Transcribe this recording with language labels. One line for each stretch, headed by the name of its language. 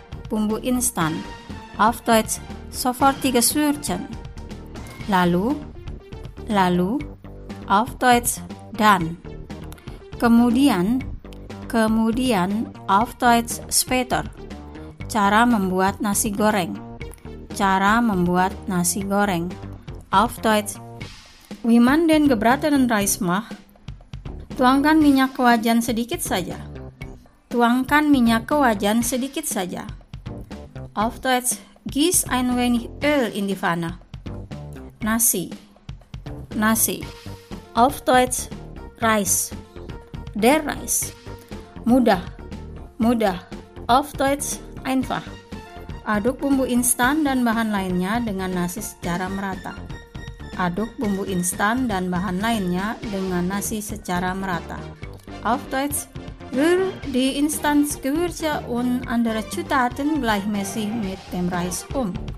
Indonesian: Bumbu instan,
German: auf Deutsch sofortiges Würzen.
Indonesian: Lalu, lalu,
German: auf Deutsch dann.
Indonesian: Kemudian, kemudian,
German: auf Deutsch später.
Indonesian: Cara membuat nasi goreng. Cara membuat nasi goreng.
German: Auf Deutsch. Wie man den gebratenen Reis macht.
Indonesian: Tuangkan minyak ke wajan sedikit saja. Tuangkan minyak ke wajan sedikit saja.
German: Auf Deutsch. Gieß ein wenig Öl in die Pfanne.
Indonesian: Nasi. Nasi.
German: Auf Deutsch. Reis. Der Reis.
Indonesian: Mudah. Mudah.
German: Auf Deutsch. Einfach.
Indonesian: Aduk bumbu instan dan bahan lainnya dengan nasi secara merata. Aduk bumbu instan dan bahan lainnya dengan nasi secara merata.
German: Auf Deutsch. Rühr die Instanzgewürze und andere Zutaten gleichmäßig mit dem Reis um.